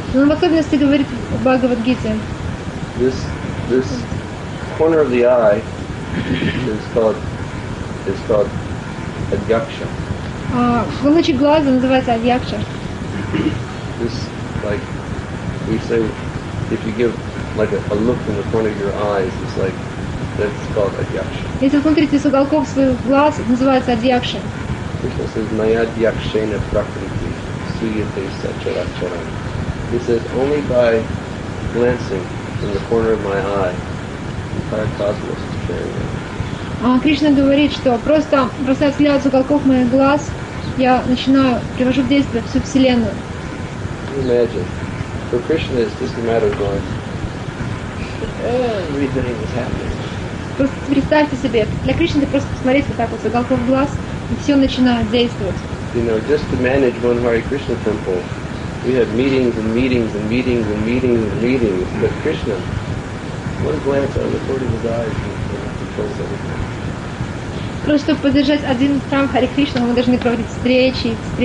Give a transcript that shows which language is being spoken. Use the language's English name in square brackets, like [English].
[Russian] Он в особенности говорит в Бхагавад Гите. [English] This corner of the eye is called Adyaksha. [Russian] Уголочек глаза называется Адьякша. [English] This like we say, if you give like a look from the corner of your eyes, it's like that's called Adyaksha. [Russian] Если смотрите с уголков своих глаз, называется Адьякша. [Sanskrit] Krishna says, Nayadhyakshena Prakriti, Suyate Sacharacharam. [English] He says, only by glancing from the corner of my eye, the entire cosmos is carrying on. [Russian] Кришна говорит, что просто бросая взгляд с уголков моих глаз, я начинаю, привожу в действие всю Вселенную. [English] Can you imagine? For Krishna, it's just a matter of going, everything is happening. [Russian] Просто представьте себе, для Кришны это просто посмотреть вот так вот с уголков глаз, и все начинает действовать. [English] You know, just to manage one Hare Krishna temple, we have meetings and meetings and meetings and meetings and meetings, but Krishna, one glance out of the corner of his eyes, controls everything. [Russian] Просто поддержать один храм Хари Кришна, мы должны проводить встречи.